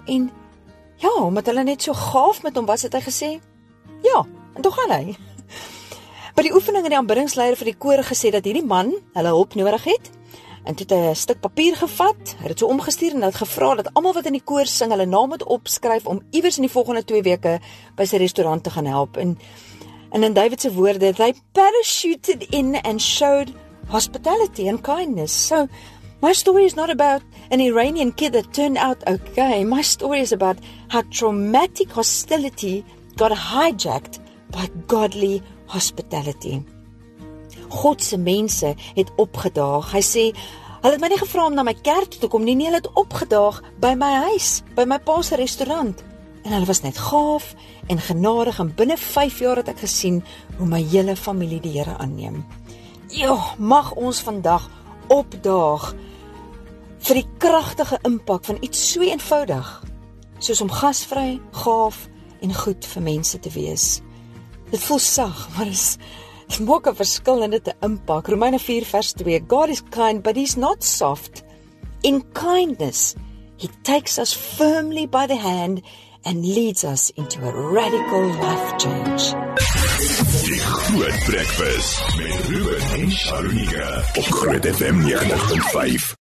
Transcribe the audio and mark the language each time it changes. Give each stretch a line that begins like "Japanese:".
Afrikaans: En ja, omdat hulle net so gaaf met hom was, het hy gesê, ja, en toe gaan hy. By die oefening het die aanbiddingsleier vir die koor gesê dat hierdie man hulle hulp nodig het. En toe het hy 'n stuk papier gevat, het dit so omgestuur en het gevra dat almal wat in die koor sing hulle naam moet opskryf om iewers in die volgende 2 weke by sy restaurant te gaan help. En in David se woorde,
English: they parachuted in and showed hospitality and kindness. So, my story is not about an Iranian kid that turned out okay. My story is about how traumatic hostility got hijacked by godly hospitality.
Afrikaans: God se mense het opgedaag. Hy sê, hulle het my nie gevra om na my kerk toe te kom nie. Nee, hulle het opgedaag by my huis, by my pa se restaurant. En hulle was net gaaf en genadig en binne 5 jaar het ek gesien hoe my hele familie die Here aanneem. Jo, mag ons vandag opdaag vir die kragtige impak van iets so eenvoudig, soos om gasvry, gaaf en goed vir mense te wees. Dit voel sag, maar dit maak 'n verskil en dit 'n impak. Romeine 4 vers 2,
English: God is kind, but he's not soft. In kindness, he takes us firmly by the hand and leads us into a radical life change.
Afrikaans: Die Groot Breakfast met Ruben en Sharonika op Groot FM 90.5.